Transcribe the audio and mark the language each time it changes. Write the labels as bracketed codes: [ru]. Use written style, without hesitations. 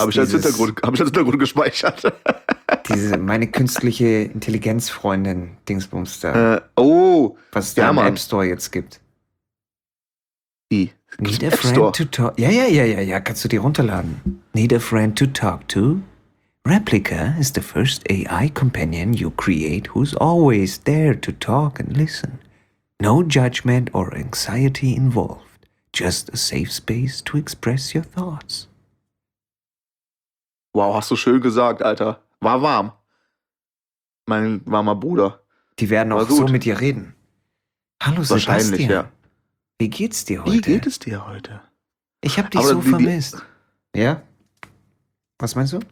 [de] Habe ich als Hintergrund gespeichert. Diese, meine künstliche Intelligenzfreundin, Dingsbums da. Oh! Was es da im App Store jetzt gibt. Wie? [en] Need a friend to talk. [de] Ja, kannst du dir runterladen. [en] Need a friend to talk to? Replica is the first AI companion you create who's always there to talk and listen. No judgment or anxiety involved. Just a safe space to express your thoughts. [de] Wow, hast du schön gesagt, Alter. War warm. Mein warmer Bruder. Die werden auch so mit dir reden. Hallo Sebastian. Wahrscheinlich, ja. Wie geht's dir heute? Wie geht es dir heute? Ich hab dich so vermisst. Ja? Was meinst du?